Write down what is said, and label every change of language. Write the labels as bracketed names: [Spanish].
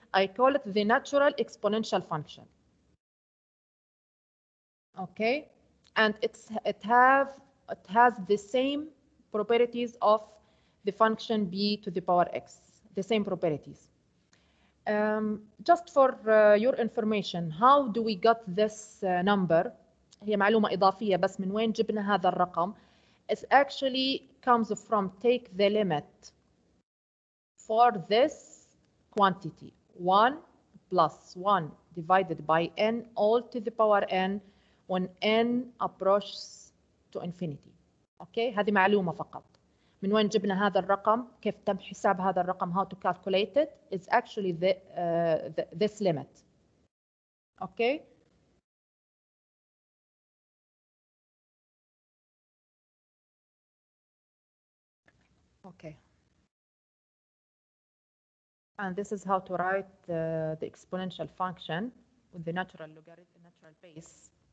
[English] I call it the natural exponential function, okay? And it has the same properties of the function b to the power x, the same properties. Just for your information, how do we get this number? [Arabic] هي معلومة إضافية بس من وين جبنا هذا الرقم? [English] It actually comes from take the limit for this quantity. 1 plus 1 divided by n all to the power n when n approaches to infinity. [Arabic] Okay, هذه معلومة فقط. من وين جبنا هذا الرقم؟ كيف تم حساب هذا الرقم؟ [English] How to calculate it? It's actually this limit. Okay. Okay. And this is how to write the exponential function with the natural logarithm, natural base.